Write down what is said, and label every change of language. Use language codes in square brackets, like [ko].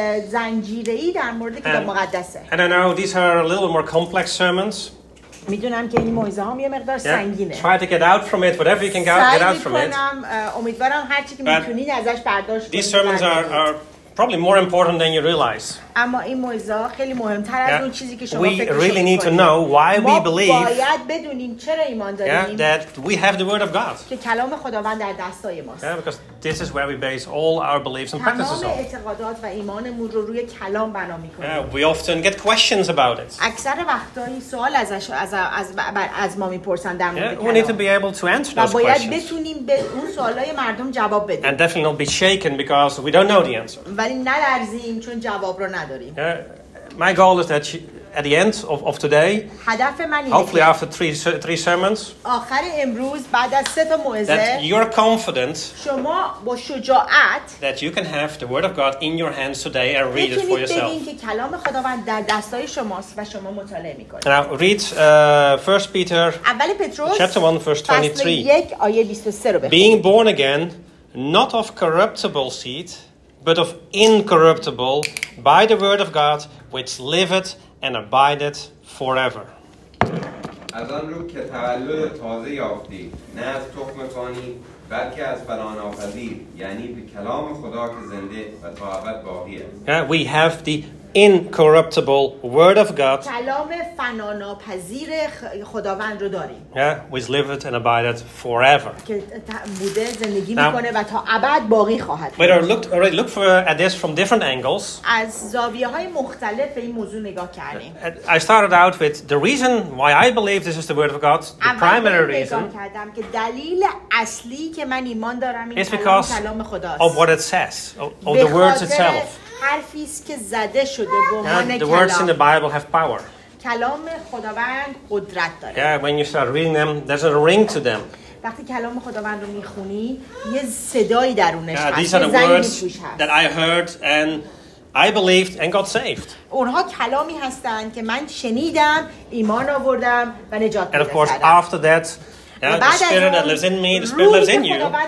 [fa] زنجیره‌ای در مورد کتاب مقدسه. [en] And I know these are a little bit more complex sermons. [fa] میدونم که این موعظه ها یه مقدار سنگینه. [en] Try to get out from it whatever you can get out from it. [fa] امیدوارم هر چیزی که میتونید ازش برداشت کنید. [en] These sermons are probably more important than you realize. [fa] اما این موعظه خیلی مهمتر از اون چیزی که شما فکر می‌کنید. [en] We really need to know why we believe. [fa] ما باید بدونیم چرا ایمان داریم. [en] Yeah, that we have the word of God. [fa] که کلام خداوند در دستای ماست. [en] Yeah, because this is where we base all our beliefs and practices on. [fa] تمام اعتقادات و ایمانمون رو روی کلام بنا می‌کنیم. [en] Yeah, we often get questions about it. [fa] اکثر وقتا این سوال از ما می‌پرسن در مورد کلام. [en] We need to be able to answer those questions. [fa] ما باید بتونیم به اون سوالای مردم جواب بدیم. [en] And definitely not be shaken because we don't know the answer. [fa] ولی نلرزیم چون جواب رو نداریم. [en] My goal is that at the end of today, hopefully after three sermons, [fa] آخر امروز بعد از سه تا موعظه, [en] that you're confident, [fa] شما با شجاعت, [en] that you can have the word of God in your hands today and read it for yourself. [fa] میتونید بگین که کلام خداوند در دستای شماست و شما مطالعه میکنید. [en] Now read 1 Peter, [fa] اول پتروس, [en] chapter 1, verse 23. [fa] فصل 1 آیه 23 رو بخونید. [en] Being born again, not of corruptible seed, but of incorruptible, by the word of God, which liveth and abideth forever. [fa] از آن رو که تولد تازه یافتی، نه از تخم کانی، بلکه از فناناپذیر، یعنی به کلام خدا که زنده و تا ابد باقیه. [en] We have the incorruptible word of God. [fa] کلام فناناپذیر خداوند رو داریم. [en] Yeah, which liveth and abideth forever. [fa] بوده زندگی میکنه و تا ابد باقی خواهد. [en] But look for at this from different angles. [fa] از زاویه‌های مختلف به این موضوع نگاه کردیم. [en] I started out with the reason why I believe this is the word of God. The primary reason. [fa] کردم که دلیل اصلی که من ایمان دارم این کلام خداست. [en] Of what it says. Of the words itself. [fa] حرفیست که زده شده به عنوان کلام. [en] The words in the Bible have power. [fa] کلام خداوند قدرت داره. [en] Yeah, when you start reading them, there's a ring to them. [fa] وقتی کلام خداوند رو میخونی یه صدایی درونش هست. [en] Yeah, these are the words that I heard and I believed and got saved. [fa] اونها کلامی هستند که من شنیدم، ایمان آوردم و نجات پیدا کردم. [en] And of course, after that, yeah, the spirit that lives in me, the spirit lives in you.